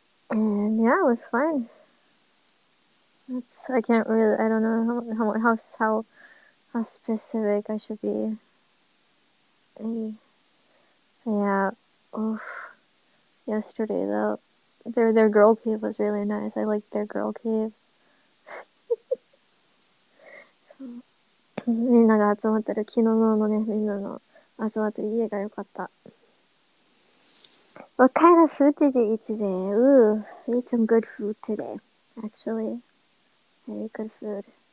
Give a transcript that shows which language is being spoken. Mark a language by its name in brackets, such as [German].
[English] And yeah, it was fun. I can't really, I don't know how specific I should be. Yeah. Oof. Yesterday, though, their girl cave was really nice. I liked their girl cave. [Japanese] みんなが集まってる昨日のね、みんなの集まってる家が良かった。 [English] What kind of food did you eat today? Ooh, I ate some good food today, actually. Very good food.